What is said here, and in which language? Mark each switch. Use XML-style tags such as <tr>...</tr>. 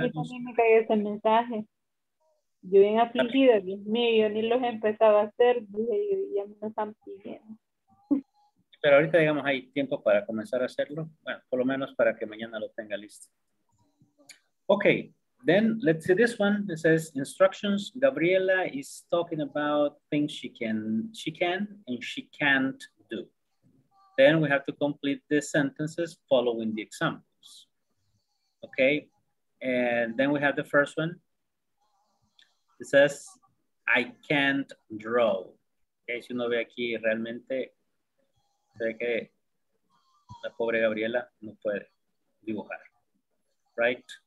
<es>A mí también me cayó ese mensaje. Yo bien afligida, Dios mío, yo ni los empezaba a hacer. Dije, ya me lo están pidiendo. Pero ahorita, digamos, hay tiempo para comenzar a hacerlo. Bueno, por lo menos para que mañana lo tenga listo.</es> <en>Okay, then let's see this one. It says instructions. Gabriela is talking about things she can and she can't do. Then we have to complete the sentences following the examples. Okay, and then we have the first one. It says, I can't draw.</en> <es>Okay, si uno ve aquí realmente, sé que la pobre Gabriela no puede dibujar, right?</es>